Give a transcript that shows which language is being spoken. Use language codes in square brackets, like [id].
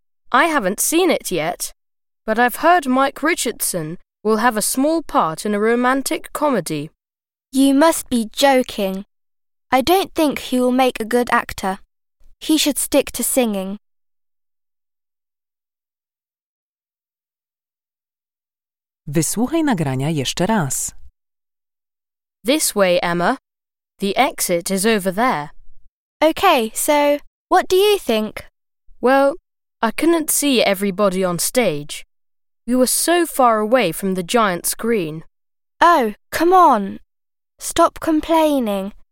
[en] I haven't seen it yet, but I've heard Mike Richardson will have a small part in a romantic comedy. You must be joking. I don't think he will make a good actor. He should stick to singing. [pl] Wysłuchaj nagrania jeszcze raz. [en] This way, Emma. The exit is over there. Okay, so what do you think? Well, I couldn't see everybody on stage. We were so far away from the giant screen. Oh, come on. Stop complaining.